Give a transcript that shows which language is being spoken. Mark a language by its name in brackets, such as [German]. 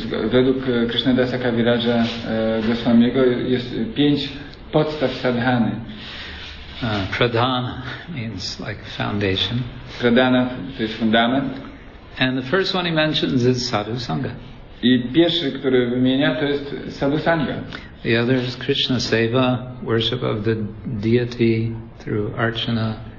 [Polish] Według Krishnadasa Kaviraja Goswamiego jest pięć podstaw sadhany. [English] Pradhana means like foundation. [Polish] Pradhana to jest fundament. [English] And the first one he mentions is sadhu sangha. [Polish] I pierwszy, który wymienia, to jest sadhu sangha. [English] The other is Krishna seva, worship of the deity through archana.